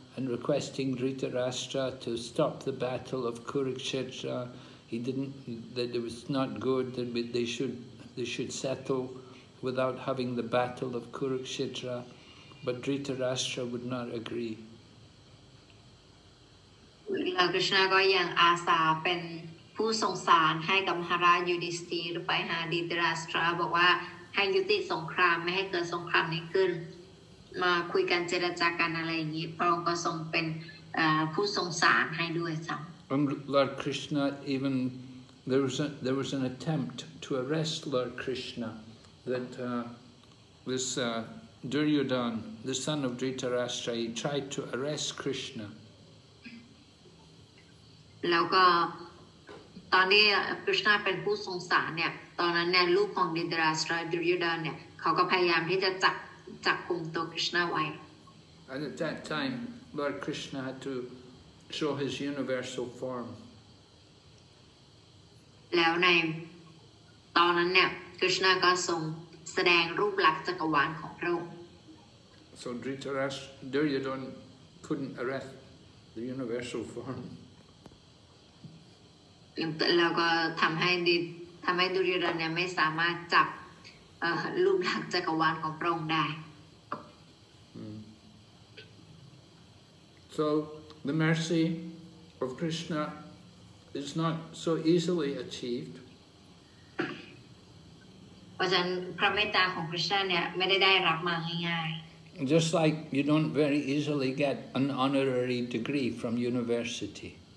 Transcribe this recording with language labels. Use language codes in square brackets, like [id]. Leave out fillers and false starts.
[en] and requesting Dhritarashtra to stop the battle of Kurukshetra. He didn't, that it was not good, that they should settle without having the battle of Kurukshetra, but Dhritarashtra would not agree. [th] Krishna ก็ยังอาสาเป็นผู้สงสารให้กับมหาราชยุติสตรไปหาดิตราสตราบอกว่าให้ยุติสงครามไม่ให้เกิดสงครามนี้ขึ้นมาคุยกันเจรจากันอะไรอย่างนี้พระองค์ก็ทรงเป็นผู้สงสารให้ด้วยซ้ำ [en] Lord Krishna even there was an attempt to arrest Lord Krishna that this Duryodhan the son of Dhritarashtra he tried to arrest Krishna [th] แล้วก็ตอนนี้คริสนาเป็นผู้สงสารเนี่ยตอนนั้นเนี่ยลูกของดิตราสตราดุริยดานเนี่ยเขาก็พยายามที่จะจับกลุ่มตัวคริสนาไว้ [en] And at that time Lord Krishna had to show his universal form [th] แล้วในตอนนั้นเนี่ยคริสนาก็ทรงแสดงรูปลักษณ์จักรวาลของพระองค์ [en] So Duryodhan couldn't arrest the universal form [th] แล้วก็ทำให้ดุริยดานเนี่ยไม่สามารถจับรูปลักษณ์จักรวาลของพระองค์ได้ [en] So the mercy of Krishna is not so easily achieved [th] เพราะฉะนั้นพระเมตตาของคริสต์เนี่ยไม่ได้ได้รับมาง่าย [en] ๆ Just like you don't very easily get an honorary degree from university